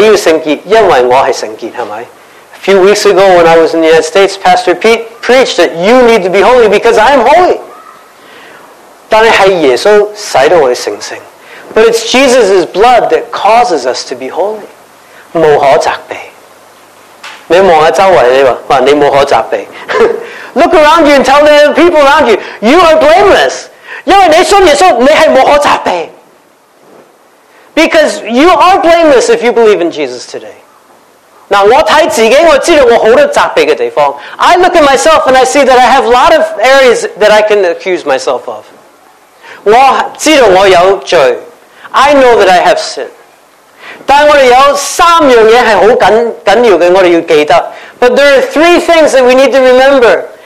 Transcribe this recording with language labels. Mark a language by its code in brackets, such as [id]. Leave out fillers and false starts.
[zh] 前几个礼拜,我在美国,Pete牧师在这里讲到,你要圣洁,因为我是圣洁, 是吗? [en] A few weeks ago when I was in the United States, Pastor Pete preached that you need to be holy because I am holy. [zh] 但是耶稣洗到我们圣圣, [en] but it's Jesus' blood that causes us to be holy. [zh] 无可责备。你看周围,你说,你无可责备。 [en] Look around you and tell the people around you, you are blameless. [zh] 因为你信耶稣,你是无可责备。 [en] Because you are blameless if you believe in Jesus today. [zh] 那我看自己,我知道我很多责备的地方, [en] I look at myself and I see that I have a lot of areas that I can accuse myself of. [zh] 我知道我有罪, [en] I know that I have sin. [zh] 但我们有三样东西是很紧要的,我们要记得, [en] but there are three things that we need to remember.